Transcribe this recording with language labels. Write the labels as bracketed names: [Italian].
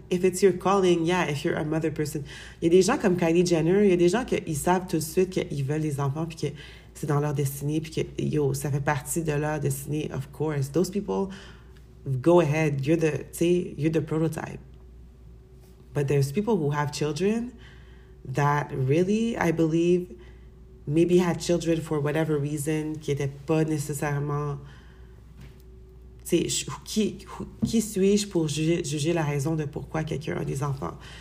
[English] If it's your calling, yeah, if you're a mother person. [French] Il y a des gens comme Kylie Jenner, il y a des gens qui savent tout de suite qu'ils veulent des enfants, puis que c'est dans leur destinée, puis que, yo, ça fait partie de leur destinée, [English] of course. Those people, go ahead, you're the prototype. But there's people who have children that really, I believe, maybe had children for whatever reason, [French] qui n'étaient pas nécessairement. T'sais, qui suis-je pour juger la raison de pourquoi quelqu'un a des enfants?